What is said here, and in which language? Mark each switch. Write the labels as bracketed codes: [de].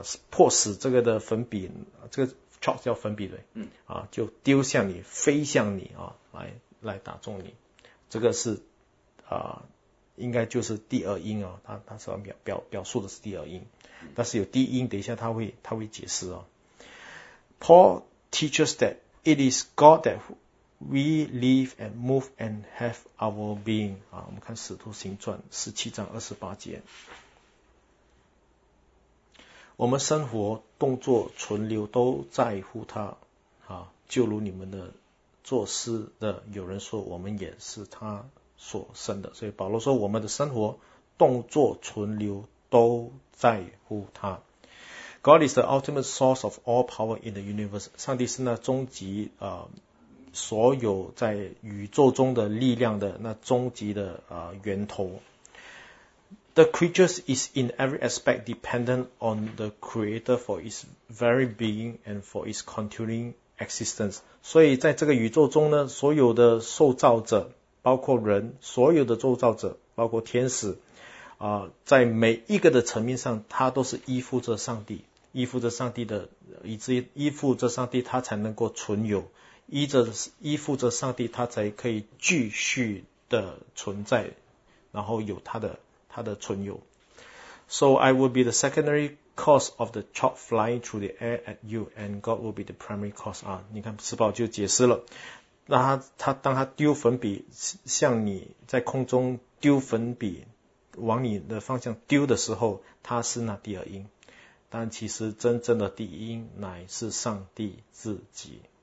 [zh] 迫使这个的粉笔，这个 chalk 叫粉笔对，啊，就丢向你，飞向你啊，来打中你，这个是应该就是第二音啊，他所表述的是第二音，但是有第一音，等一下他会解释啊。 [en] Paul teaches that it is God that we live and move and have our being [zh] 啊，我们看《使徒行传》17章28节。我们生活、动作、存留都在乎他，啊，就如你们的作诗的，有人说我们也是他所生的。所以保罗说，我们的生活、动作、存留都在乎他。 [en] God is the ultimate source of all power in the universe。 [zh] 上帝是那终极所有在宇宙中的力量的那终极的源头。 [en] The creature is in every aspect dependent on the creator for its very being and for its continuing existence. [zh] 所以在这个宇宙中呢，所有的受造者，包括人，所有的受造者，包括天使，在每一个的层面上，他都是依附着上帝，依附着上帝的，以至于依附着上帝，他才能够存有，依附着上帝，他才可以继续的存在，然后有他的存有。 [en] So I will be the secondary cause of the chalk flying through the air at you, and God will be the primary cause. [zh] 啊，你看，施宝就解释了，那他当他丢粉笔向你在空中丢粉笔往你的方向丢的时候，他是那第二音，但其实真正的第一音乃是上帝自己。